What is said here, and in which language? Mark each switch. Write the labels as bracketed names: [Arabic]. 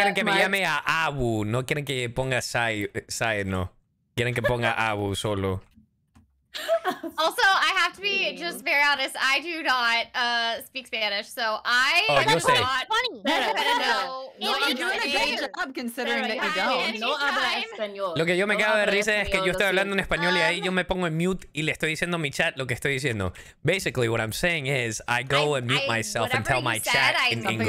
[Spanish] Ellos quieren que me llame a Abu. No quieren que ponga Cyno. Quieren que ponga Abu solo. [English] Also, I have to be just very honest. I do not speak Spanish, so I am not funny. You're doing a great job considering that you don't. [Spanish] No habla español. Lo que yo me cago de risa es que yo estoy hablando en español y ahí yo me pongo en mute y le estoy diciendo a mi chat lo que estoy diciendo. [English] Basically, what I'm saying is I go and mute myself and tell my chat in English.